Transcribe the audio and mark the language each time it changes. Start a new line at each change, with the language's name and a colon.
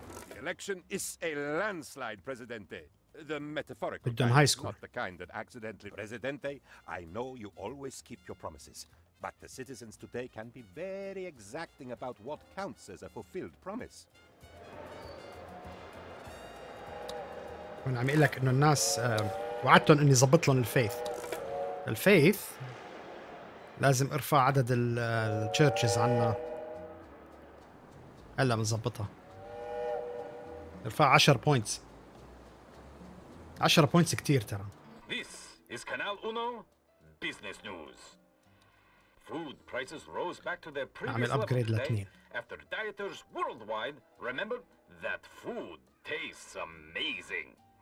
English: The election is a landslide, Presidente. The metaphorical.
Arabic: بدهم
English: high school. Not the kind that accidentally. Presidente, I know you always keep your promises, but the citizens today can be very exacting about what counts as a fulfilled promise.
Arabic: وانا عم اقول لك انه الناس وعدتهم اني ظبط لهم الفيث. الفيث لازم ارفع عدد التشيرشز عنا، هلا بنظبطها. ارفع 10 بوينتس، 10 بوينتس كثير ترى.
English: This is Canal Uno business news. Food prices rose back to their previous level.
Arabic: عمل ابجريد لاثنين.
English: After dieters worldwide remember that food tastes amazing.